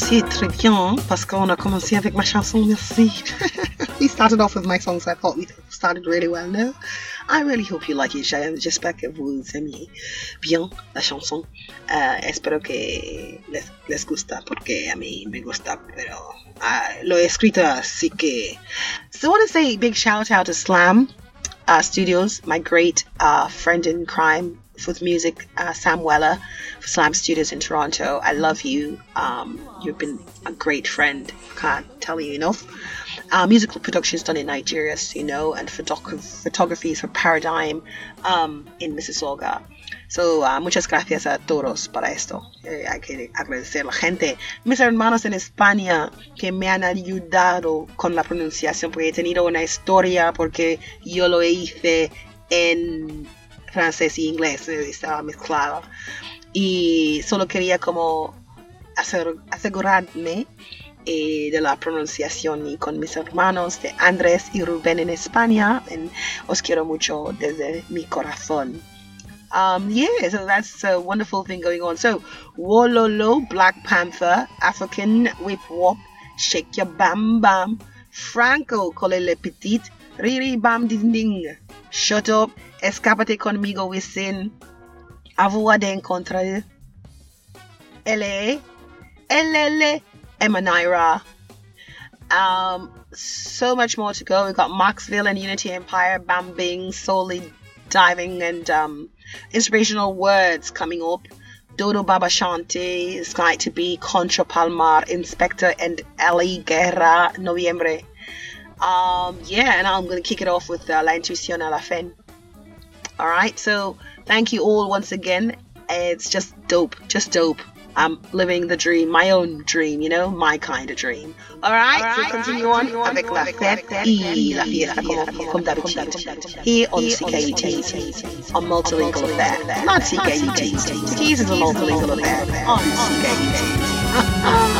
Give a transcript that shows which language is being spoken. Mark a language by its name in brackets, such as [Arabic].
[French] Très bien, parce qu'on a commencé avec ma chanson, merci. [English] We started off with my songs, I thought we started really well, no? I really hope you like it, [French] j'espère que vous aimiez bien la chanson. [Spanish] Espero que les gusta, porque a mí me gusta, pero lo he escrito, así que... [English] So I want to say a big shout out to Slam Studios, my great friend in crime with music, Sam Weller, for Slam Studios in Toronto. I love you. You've been a great friend. Can't tell you enough. Musical production is done in Nigeria, so you know, and photography is for Paradigm in Mississauga. [Spanish] So, muchas gracias a todos para esto. Hay que agradecer a la gente. Mis hermanos en España que me han ayudado con la pronunciación, porque he tenido una historia porque yo lo hice en francés y inglés, estaba mezclado. Y solo quería como asegurarme de la pronunciación y con mis hermanos de Andrés y Rubén en España. And os quiero mucho desde mi corazón. [English] Yeah, so that's a wonderful thing going on. So, Wololo, Black Panther, African Whip Wop, Shake Your Bam Bam, Franco, Cole Le Petit, Riri Bam Ding Ding. Shut up, [Spanish] escápate conmigo, [English] we sin. Avoir de encontrar. Elle, Emma Naira. So much more to go. We've got Maxville and Unity Empire, Bambing, Solely Diving, and inspirational words coming up. Dodo Baba Shanti is going to be Contra Palmar, Inspector, and Ali Guerra, Noviembre. Yeah, and I'm going to kick it off with La Intuición a la Fin. All right, so thank you all once again. It's just dope, just dope. I'm living the dream, my own dream, you know, my kind of dream. All right, all right, so continue on [French] avec la fête et la fiesta, comme d'habitude, [English] here on CKUT, a multilingual affair. Not CKUT, he's a multilingual affair on CKUT.